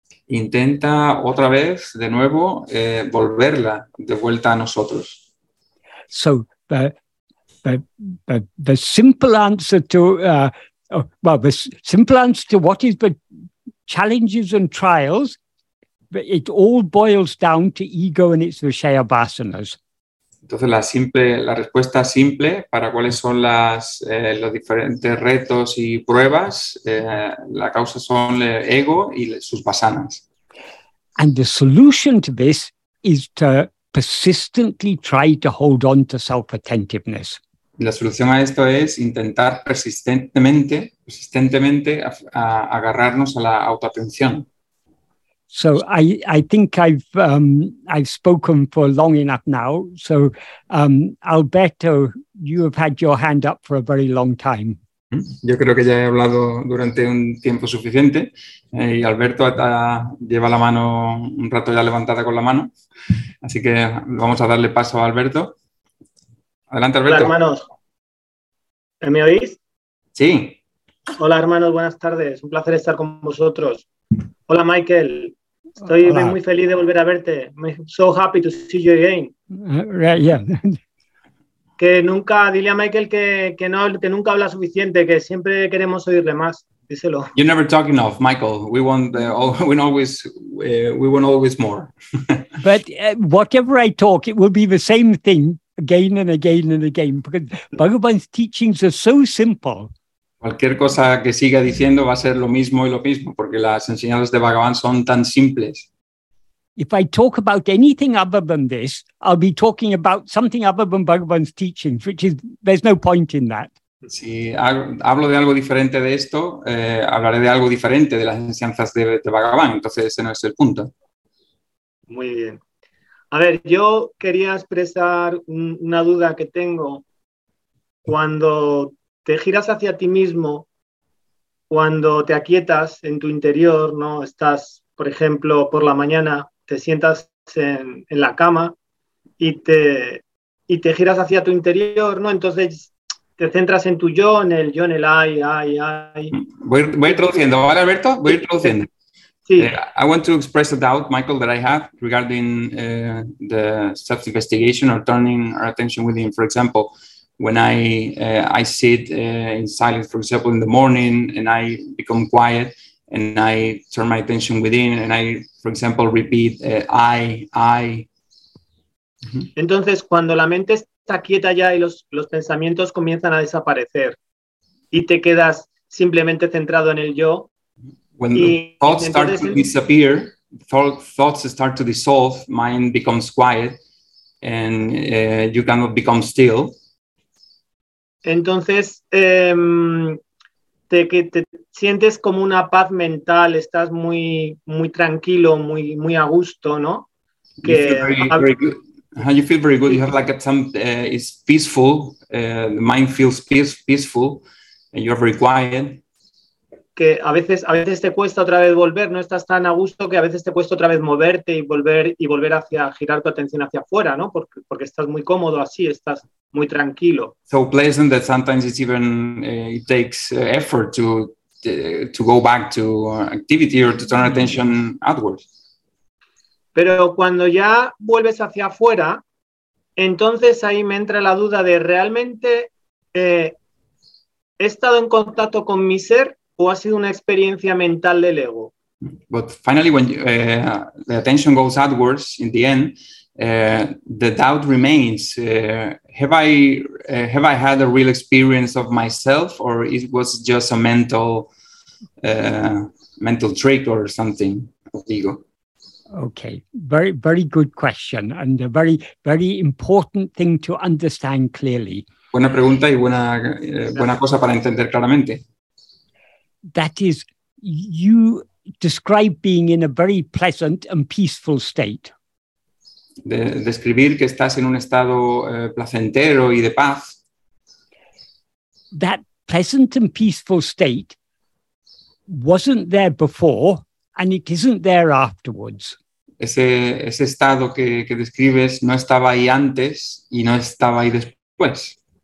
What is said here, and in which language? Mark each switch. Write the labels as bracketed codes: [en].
[es] Intenta otra vez, de nuevo, volverla de vuelta a nosotros. [en] So the simple answer to the simple answer to what is the challenges and trials, but it all boils down to ego and its Vishaya Vasanas. [es] Entonces la respuesta simple para cuáles son los diferentes retos y pruebas, la causa son el ego y sus vasanas. [en] And the solution to this is to persistently try to hold on to self-attentiveness. [es] La solución a esto es intentar persistentemente agarrarnos a la autoatención. [en] So I think I've spoken for long enough now. So Alberto, you have had your hand up for a very long time. [es] Yo creo que ya he hablado durante un tiempo suficiente y Alberto lleva la mano un rato ya levantada con la mano. Así que vamos a darle paso a Alberto. Adelante, Alberto. Hola, hermanos. ¿Me oís? Sí. Hola, hermanos, buenas tardes. Un placer estar con vosotros. Hola, Michael. Estoy Hola. Muy feliz de volver a verte. [en] I'm so happy to see you again. [es] Que nunca, dile a Michael que nunca habla suficiente, que siempre queremos oírle más. Díselo. [en] You never talk enough, Michael. We want always more. But whatever I talk, it will be the same thing again and again and again, because Bhagavan's teachings are so simple. [es] Cualquier cosa que siga diciendo va a ser lo mismo y lo mismo, porque las enseñanzas de Bhagavan son tan simples. [en] If I talk about anything other than this, I'll be talking about something other than Bhagavan's teachings, which is, there's no point in that. [es] Si hablo de algo diferente de esto, hablaré de algo diferente de las enseñanzas de Bhagavan, entonces ese no es el punto. Muy bien. A ver, yo quería expresar una duda que tengo. Cuando te giras hacia ti mismo, cuando te aquietas en tu interior, ¿no? Estás, por ejemplo, por la mañana, te sientas en la cama y te giras hacia tu interior, ¿no? Entonces te centras en tu yo, en el I. Voy traduciendo, ¿vale, Alberto? Voy traduciendo. Sí. [en] I want to express a doubt, Michael, that I have regarding the self-investigation or turning our attention within. For example, when I sit in silence, for example, in the morning, and I become quiet, and I turn my attention within, and I, for example, repeat I. [es] Entonces, cuando la mente está quieta ya y los pensamientos comienzan a desaparecer, y te quedas simplemente centrado en el yo. [en] When the thoughts start to disappear, thoughts start to dissolve, mind becomes quiet, and you cannot become still. [es] Entonces, te sientes como una paz mental, estás muy, muy tranquilo, muy, muy a gusto, ¿no? [en] Que, you feel very good. You have like some, it's peaceful, the mind feels peaceful, and you're very quiet. [es] Que a veces te cuesta otra vez volver, no estás tan a gusto que a veces te cuesta otra vez moverte y volver hacia girar tu atención hacia afuera, ¿no? Porque estás muy cómodo así, estás muy tranquilo. [en] So pleasant that sometimes it's even it takes effort to go back to activity or to turn attention outwards. [es] Pero cuando ya vuelves hacia afuera, entonces ahí me entra la duda de realmente he estado en contacto con mi ser. ¿O ha sido una experiencia mental del ego? [en] But finally, when the attention goes outwards, in the end, the doubt remains. Have I had a real experience of myself, or it was just a mental trick or something of the ego? Okay, very, very good question, and a very, very important thing to understand clearly. [es] Buena pregunta y buena cosa para entender claramente. [en] That is, you describe being in a very pleasant and peaceful state. [es] Describir que estás en un estado placentero y de paz. [en] That pleasant and peaceful state wasn't there before, and it isn't there afterwards. [es] Ese estado que describes no estaba ahí antes y no estaba ahí después.